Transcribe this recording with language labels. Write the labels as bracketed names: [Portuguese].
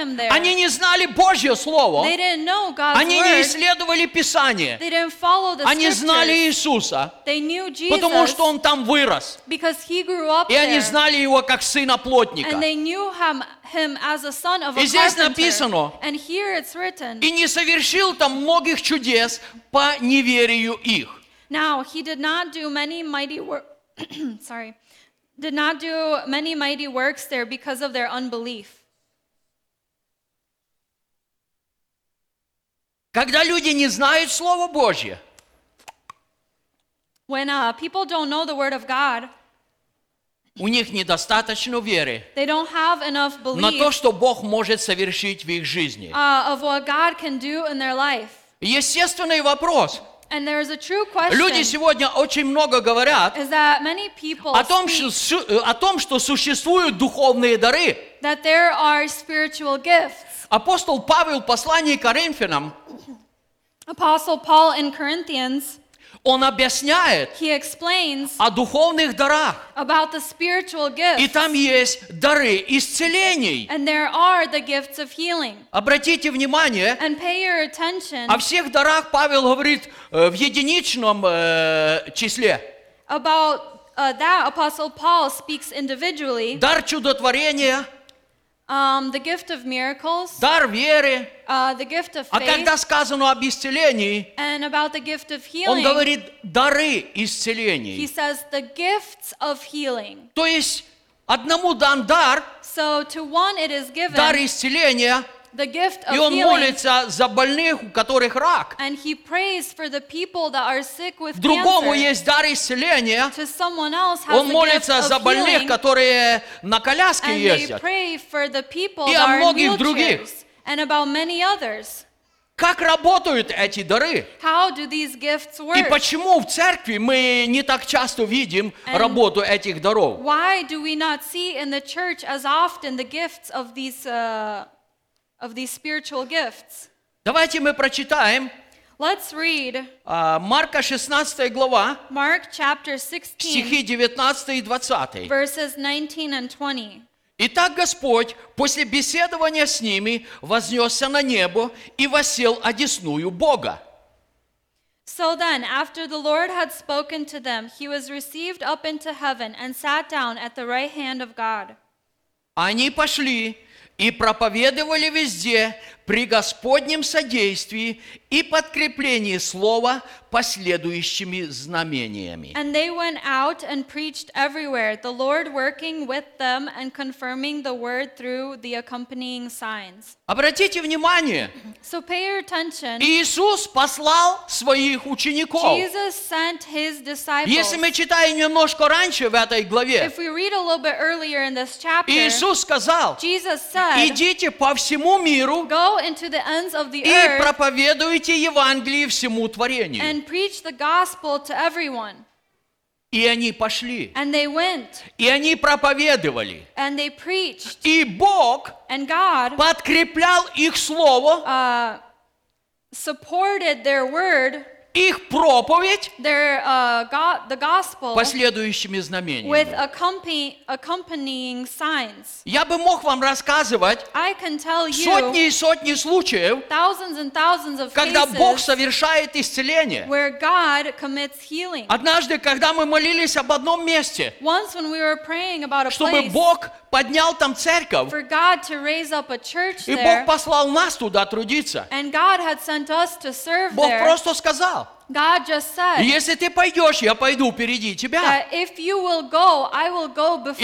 [Russian] Они не знали Божье Слово. Они [English] word. [Russian] Не исследовали Писание. [English] They didn't follow the [Russian] они знали Иисуса. [English] They knew Jesus, [Russian] потому что Он там вырос. [English] Because he grew up [Russian] и [English] there. [Russian] Они знали Его как сына плотника. [English] And they knew him, him as a son of a [Russian] и здесь написано. [English] And here it's written, [Russian] и не совершил там многих чудес по неверию их. [English] Now he did not do many mighty works. Sorry, did not do many mighty works there because of their unbelief. [Russian] Когда люди не знают Слово Божье, [English] when people don't know the word of God, [Russian] у них недостаточно веры. [English] They don't have enough belief. [Russian] На то, что Бог может совершить в их жизни. [English] Of what God can do in their life. [Russian] Естественный вопрос. [English] And there is a true question, [Russian] люди сегодня очень много говорят [English] is that many people [Russian] о том, что существуют духовные дары. [English] That there are spiritual gifts. [Russian] Апостол Павел в послании к Коринфянам [English] Apostle Paul in Corinthians, [Russian] он объясняет [English] he explains [Russian] о духовных дарах. [English] About the spiritual gifts. [Russian] И там есть дары исцелений. [English] And there are the gifts of healing. [Russian] Обратите внимание, [English] and pay your attention. [Russian] О всех дарах Павел говорит в единичном числе. [English] About that, Apostle Paul speaks individually. [Russian] Дар чудотворения. [English] The gift of miracles. [Russian] Дар веры. [English] The gift of faith. [Russian] А когда сказано об исцелении, [English] and about the gift of healing, [Russian] он говорит дары исцелений. [English] He says the gifts of healing. [Russian] То есть одному дан дар. [English] So to one it is given. [Russian] Дар исцеления. [English] The gift of [Russian] и он [English] healing, [Russian] молится за больных, у которых рак. [English] And he prays for the people that are sick with [Russian] другому [English] cancer. [Russian] Есть дар исцеления. [English] To someone else has [Russian] он молится за больных, [English] healing, [Russian] которые на коляске [English] and [Russian] ездят. [English] They pray for the people [Russian] и [English] that [Russian] о многих других. [English] and about many others. [Russian] Как работают эти дары? [English] How do these gifts work? [Russian] И почему в церкви мы не так часто видим [English] and [Russian] работу этих даров? [English] Why do we not see in the church as often the gifts of these spiritual gifts? [Russian] Давайте мы прочитаем. [English] Let's read. [Russian] Марка 16 глава. [English] Mark chapter 16. [Russian] Стихи 19 и 20. [English] Verses 19 and 20. [Russian] Итак, Господь, после беседования с ними, вознесся на небо и воссел одесную Бога. [English] So then, after the Lord had spoken to them, he was received up into heaven and sat down at the right hand of God. [Russian] Они пошли и проповедовали везде при Господнем содействии и подкреплении слова последующими знамениями. [English] And they went out and preached everywhere, the Lord working with them and confirming the word through the accompanying signs. [Russian] Обратите внимание. [English] So pay your attention. [Russian] Иисус послал своих учеников. [English] Jesus sent his disciples. [Russian] Если мы читаем немножко раньше в этой главе. [English] If we read a little bit earlier in this chapter. [Russian] Иисус сказал. [English] Jesus said. [Russian] Идите по всему миру. [English] Go into the ends of the earth. [Russian] И проповедуйте Евангелие всему творению. [English] And preach the gospel to everyone. [Russian] И они пошли. [English] And they went. [Russian] И они проповедовали. [English] And they preached. [Russian] И Бог [English] and God [Russian] подкреплял их слово. [English] Supported their word. [Russian] Их проповедь. [English] Their the gospel. [Russian] Последующими знамениями. [English] With accompanying signs. [Russian] Я бы мог вам рассказывать. [English] I can tell you. [Russian] Сотни и сотни случаев. [English] Thousands and thousands of cases. [Russian] Когда Бог совершает исцеление. [English] Where God commits healing. [Russian] Однажды, когда мы молились об одном месте. [English] Once when we were praying about a place. [Russian] Чтобы Бог поднял там церковь. [English] For God to raise up a church there. [Russian] И Бог послал нас туда трудиться. [English] And God had sent us to serve [Russian] Бог [English] there. [Russian] Бог просто сказал. [English] God just said, [Russian] если ты пойдешь, я пойду впереди тебя. [English] That if you will go, I will go before you.